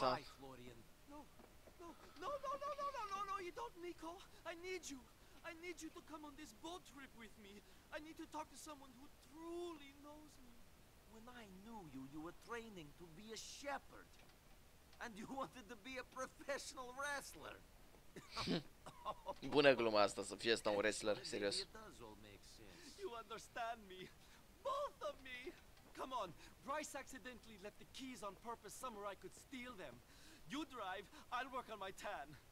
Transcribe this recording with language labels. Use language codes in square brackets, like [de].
[en] Goodbye, Florian. No, you don't, Nico. I need you. I need you to come on this boat trip with me. I need to talk to someone who truly knows me. When I knew you, you were training to be a shepherd. And you wanted to be a professional wrestler. [ro] Bună gluma asta, să fie asta un wrestler, serios. [en] You understand me. Both of me. Come on, Bryce accidentally left the keys on purpose somewhere I could steal them. You drive, I'll work on my tan.